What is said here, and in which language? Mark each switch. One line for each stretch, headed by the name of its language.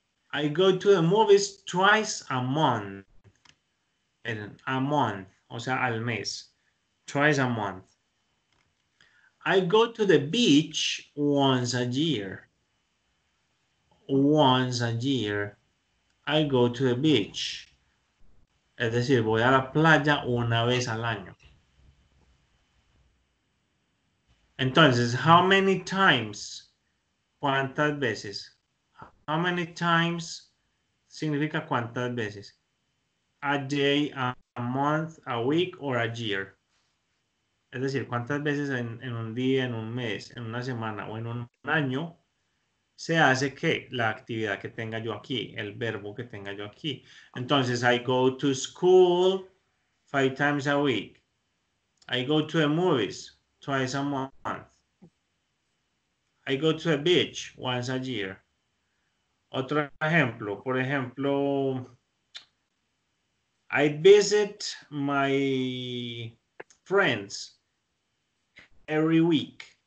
English: I go to the movies twice a month. In a month,
Spanish: o sea, al mes.
English: Twice a month. I go to the beach once a year. Once a year, I go to the beach.
Spanish: Es decir, voy a la playa una vez al año. Entonces,
English: how many times?
Spanish: ¿Cuántas veces?
English: How many times
Spanish: significa cuántas veces?
English: A day, a month, a week, or a year.
Spanish: Es decir, cuántas veces en un día, en un mes, en una semana o en un año se hace que la actividad que tenga yo aquí, el verbo que tenga yo aquí.
English: Entonces, I go to school five times a week. I go to the movies twice a month. I go to the beach once a year.
Spanish: Otro ejemplo, por ejemplo,
English: I visit my friends every week.